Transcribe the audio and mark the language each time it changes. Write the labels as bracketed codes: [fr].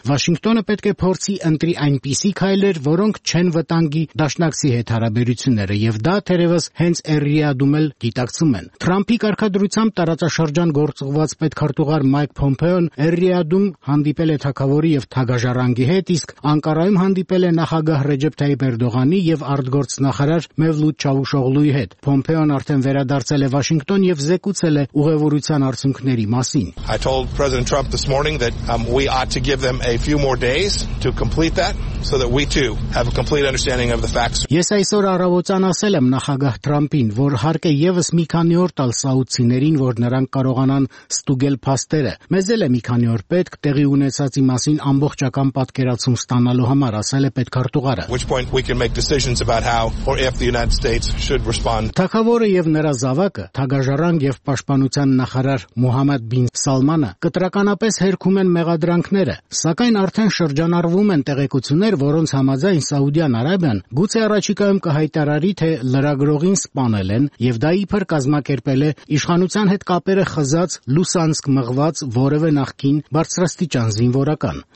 [hy] Վաշինգտոնը պետք է փորձի ընտրի այնպիսի քայլեր, որոնք չեն վտանգի դաշնակցի հետ հարաբերությունները, և դա թերևս հենց Էրիադում էլ գիտակցում են։ Թրամփի կարգադրությամբ տարածաշրջան գործողված պետքարտուղար Մայք Փոմպեոն Էրիադում հանդիպել է թագավորի և թագաժառանգի հետ, իսկ Անկարայում հանդիպել է նախագահ Ռեջեփ Թայիփ Էրդողանի և արտգործնախարար Մևլութ Չավուշօղլուի հետ։ Փոմպեոն արդեն վերադարձել է Վաշինգտոն և զեկուցել է ուղևորության արդյունքների մասին։ [en] I told President Trump this morning that we ought to give them a few more days to complete that. so that we too have a complete understanding of the facts. [hy] Ես այսօր առավոտյան ասել եմ նախագահ Թրամփին, որ հարկ է եւս մի քանի օր տալ սաուդցիներին, որ նրանք կարողանան ստուգել փաստերը։ Մեզ էլ է մի քանի օր պետք տեղի ունեցածի մասին ամբողջական պատկերացում ստանալու համար, ասել է պետքարտուղարը։ [en] Which point we can make decisions about how or if the United States should respond. [hy] Թագավորը եւ նրա զավակը, թագաժառանգ եւ պաշտպանության նախարար Մուհամմադ բին Սալմանը կտրականապես հերքում են մեղադրանքները, սակայն արդեն շրջանառվում են տեղեկությունները, որոնց համաձայն Սաուդյան Արաբիան գուցե առաջիկայում կհայտարարի, թե լրագրողին սպանել են եւ դա իբր կազմակերպել է իշխանության հետ կապերը խզած Լուսանսկ մղված որևէ նախքին բարձրաստիճան զինվորական։